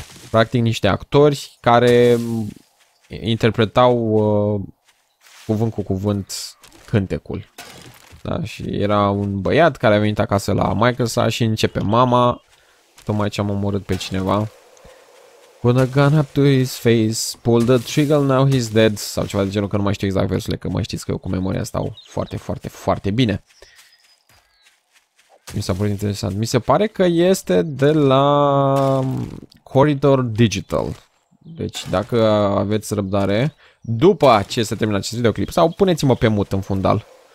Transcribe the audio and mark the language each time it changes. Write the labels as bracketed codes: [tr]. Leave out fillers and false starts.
[ro] Practic niște actori care interpretau cuvânt cu cuvânt cântecul. Da? Și era un băiat care a venit acasă la maică sa și începe mama. Tocmai ce am omorât pe cineva. [en] Put a gun up to his face, pull the trigger, now he's dead. [ro] Sau ceva de genul, că nu mai știu exact versurile, că mai știți că eu cu memoria stau foarte, foarte, foarte bine. Mi s-a părut interesant. Mi se pare că este de la Corridor Digital. Deci dacă aveți răbdare, după ce se termină acest videoclip, sau puneți-mă pe mut în fundal.